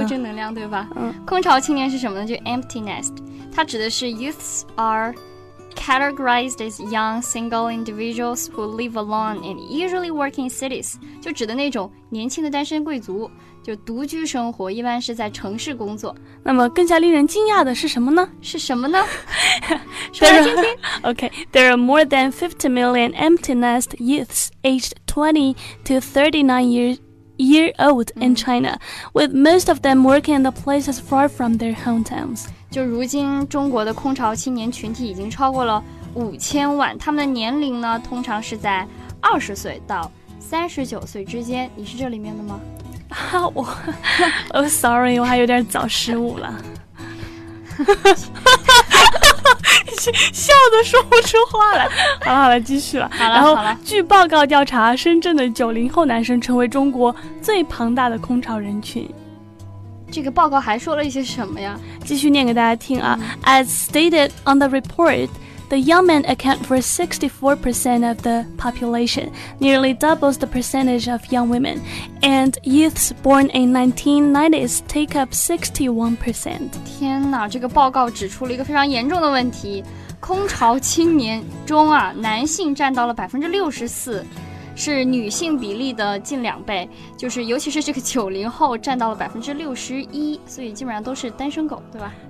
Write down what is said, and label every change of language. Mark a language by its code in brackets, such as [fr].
[zh] 够正能量对吧。空巢青年是什么呢？就 empty nest， 它指的是 [en] youths are categorized as young single individuals who live alone and usually work in cities， [zh] 就指的那种年轻的单身贵族，就独居生活，一般是在城市工作。那么更加令人惊讶的是什么呢？是什么呢？说来听听。 [en] Okay， there are more than 50 million empty nest youths aged 20 to 39 years old in China， with most of them working in the places far from their hometowns。 [zh] 就如今中国的空巢青年群体已经超过了5000万，他们的年龄呢通常是在20岁到39岁之间。你是这里面的吗？ Sorry， 我还有点早失误了。, 笑得说不出话来。好了好了，继续了。好了，然后据报告调查，深圳的90后男生成为中国最庞大的空巢人群。这个报告还说了一些什么呀？继续念给大家听啊。 [en] As stated on the report, The young men account for 64% of the population, nearly doubles the percentage of young women, and youths born in 1990s take up 61%. [zh] 天哪，这个报告指出了一个非常严重的问题。空巢青年中啊，男性占到了64%，是女性比例的近两倍，就是尤其是这个90后占到了61%，所以基本上都是单身狗，对吧？